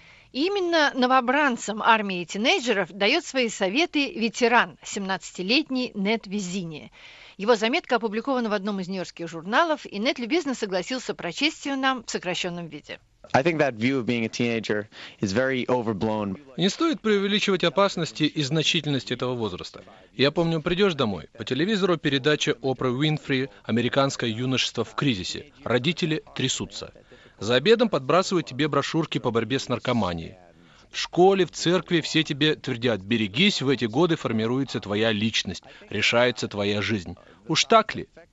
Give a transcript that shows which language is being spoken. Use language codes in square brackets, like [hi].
[ru] Именно новобранцам армии тинейджеров дает свои советы ветеран, 17-летний Нед Визини. Его заметка опубликована в одном из нью-йоркских журналов, и Нед любезно согласился прочесть ее нам в сокращенном виде. [en] I think that view of being a teenager is very overblown. [ru] Не стоит преувеличивать опасности и значительность этого возраста. Я помню, придешь домой, по телевизору передача Опры Уинфри «Американское юношество в кризисе». Родители трясутся. За обедом подбрасывают тебе брошюрки по борьбе с наркоманией. В школе, в церкви все тебе твердят: берегись, в эти годы формируется твоя личность, решается твоя жизнь. Уж так ли?